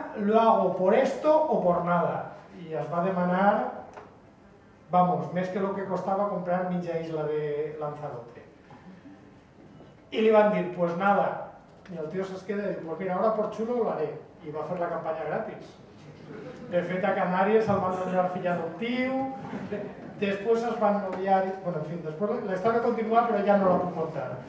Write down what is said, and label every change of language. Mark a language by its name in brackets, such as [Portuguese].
[Spanish] Lo hago por esto o por nada. [Catalan] I es va demanar, vamos, més que el que costava comprar mitja isla de Lanzarote. I li van dir, [Spanish] pues nada. [Catalan] I el tio se'ls queda i diu, [Spanish] pues mira, ahora por chulo lo haré. [Catalan] I va fer la campanya gratis. De fet, a Canàries el van donar fill adoptiu, després es van noviar, bueno, en fi, després la història continua, però ja no la puc contar.